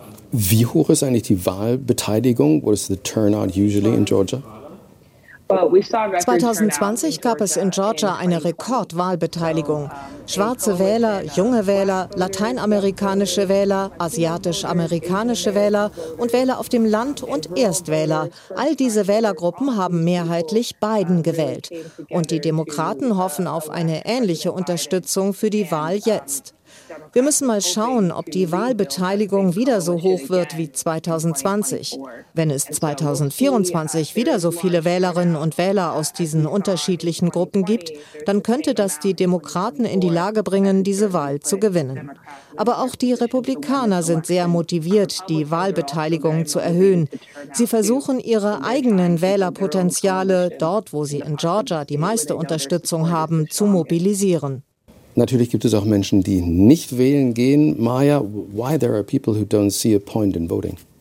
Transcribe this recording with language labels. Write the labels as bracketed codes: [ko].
[de] Wie hoch ist eigentlich die Wahlbeteiligung? [en] What is the turnout usually in Georgia? [de] 2020 gab es in Georgia eine Rekordwahlbeteiligung. Schwarze Wähler, junge Wähler, lateinamerikanische Wähler, asiatisch-amerikanische Wähler und Wähler auf dem Land und Erstwähler. All diese Wählergruppen haben mehrheitlich Biden gewählt. Und die Demokraten hoffen auf eine ähnliche Unterstützung für die Wahl jetzt. Wir müssen mal schauen, ob die Wahlbeteiligung wieder so hoch wird wie 2020. Wenn es 2024 wieder so viele Wählerinnen und Wähler aus diesen unterschiedlichen Gruppen gibt, dann könnte das die Demokraten in die Lage bringen, diese Wahl zu gewinnen. Aber auch die Republikaner sind sehr motiviert, die Wahlbeteiligung zu erhöhen. Sie versuchen, ihre eigenen Wählerpotenziale, dort, wo sie in Georgia die meiste Unterstützung haben, zu mobilisieren. Natürlich gibt es auch Menschen, die nicht wählen gehen. [en] Maya, why there are people who don't see a point in voting?